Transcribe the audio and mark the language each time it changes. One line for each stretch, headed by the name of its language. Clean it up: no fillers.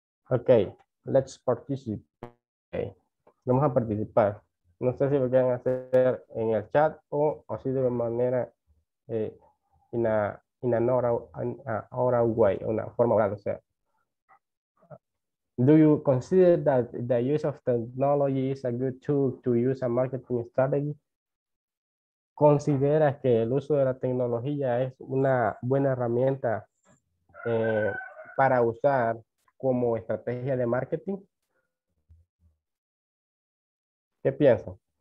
English: Ok, let's participate.
Spanish: Vamos a participar. No sé si lo quieren hacer en el chat o así de manera
English: in an oral way,
Spanish: una forma oral, o sea.
English: Do you consider that the use of technology is a good tool to use a marketing strategy?
Spanish: ¿Consideras que el uso de la tecnología es una buena herramienta para usar como estrategia de marketing? ¿Qué piensas?